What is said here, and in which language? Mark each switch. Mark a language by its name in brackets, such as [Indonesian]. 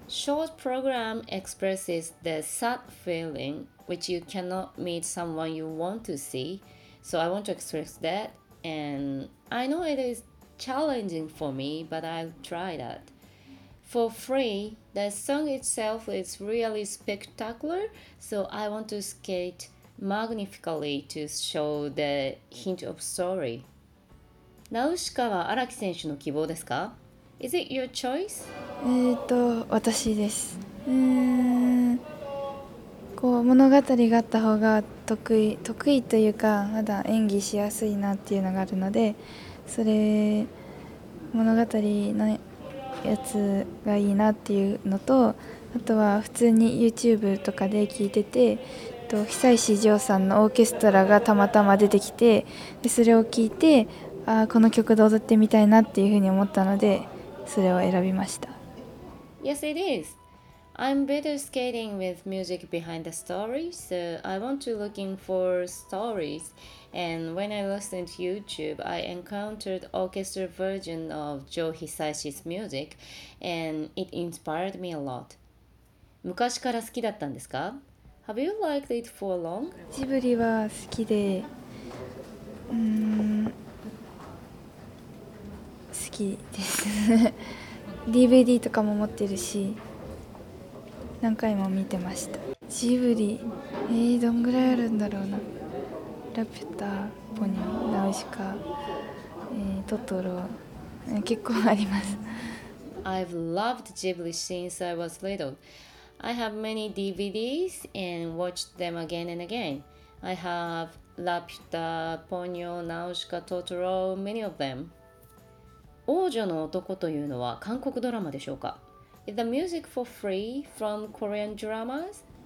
[English] Short program expresses the sad feeling which you cannot meet someone you want to see, so I want to express that, and I know it is challenging for me, but I'll try that. For free,The song itself is really spectacular, so I want to skate magnificently to show the hint of story. [Japanese] ナウシカは荒木選手の希望ですか？ [English] Is it your choice? [Japanese] 私です。こう物語があった方が得意というか、まだ演技しやすいなっていうのがあるので、それ物語のやつがいいなっていうのと、あとは普通に YouTube とかで聞いてて、久石譲さんのオーケストラがたまたま出てきて、でそれを聞いて、あ、この曲で踊ってみたいなっていうふうに思ったので、それを選びました。 [English] Yes, it is. I'm better skating with music behind the story, so I want to looking for stories. And when I listened to YouTube, I encountered orchestra version of Joe Hisaishi's music, and it inspired me a lot. [Japanese] 昔から好きだったんですか？ [English] Have you liked it for long? [Japanese] ジブリは好きで、好きです。 DVD とかも持ってるし、何回も見てました。ジブリ、どんぐらいあるんだろうな。ラピュタ、ポニョ、ナウシカ、トトロ、結構あります。 [English] I've loved Ghibli since I was little. I have many DVDs and watched them again and again. I have ラピュタ、ポニョ、ナウシカ、トトロ、many of them. [Japanese] 王女の男というのは韓国ドラマでしょうか？ [English] Is the music for free from Korean dramas?